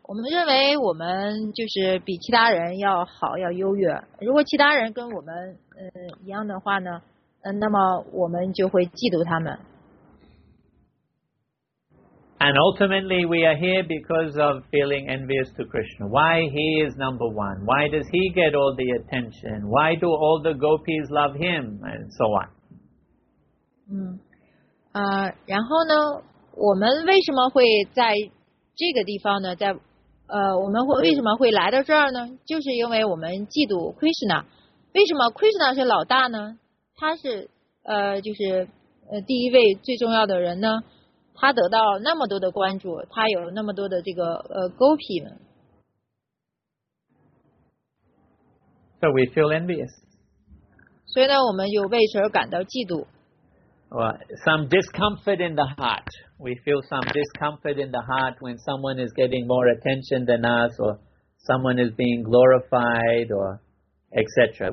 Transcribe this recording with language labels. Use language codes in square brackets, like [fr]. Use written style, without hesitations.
[zh] 我们认为我们就是比其他人要好，要优越。如果其他人跟我们一样的话呢，那么我们就会嫉妒他们。 [en] And ultimately, we are here because of feeling envious to Krishna. Why he is number one? Why does he get all the attention? Why do all the gopis love him? And so on. [zh] 然后呢，我们为什么会在这个地方呢？在我们会为什么会来到这儿呢？就是因为我们嫉妒 Krishna。为什么 Krishna 是老大呢？他是就是第一位最重要的人呢？他得到那么多的关注，他有那么多的这个gopi们。 [en] So we feel envious. [zh] 所以呢，我们有为此而感到嫉妒。 [en] Well, some discomfort in the heart. We feel some discomfort in the heart when someone is getting more attention than us, or someone is being glorified, or etc.